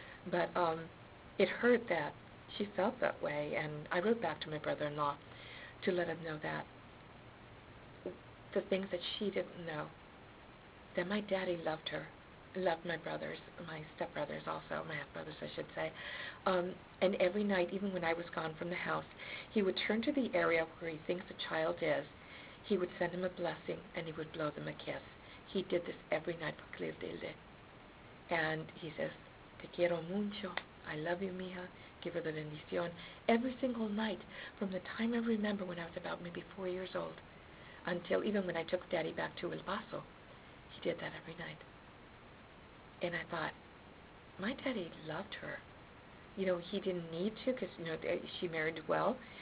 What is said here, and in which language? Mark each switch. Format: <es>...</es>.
<en>But it hurt that she felt that way, and I wrote back to my brother-in-law to let him know that the things that she didn't know, that my daddy loved her, loved my brothers, my stepbrothers also, my half-brothers, I should say. And every night, even when I was gone from the house, he would turn to the area where he thinks the child is. He would send him a blessing, and he would blow them a kiss. He did this every night for Clotilde. And he says,</en> <es>Te quiero mucho.</es> <en>I love you, mija. Give her the bendición. Every single night, from the time I remember when I was about maybe 4 years old, until even when I took Daddy back to El Paso, he did that every night. And I thought, my daddy loved her. You know, he didn't need to because, you know, she married well.</en>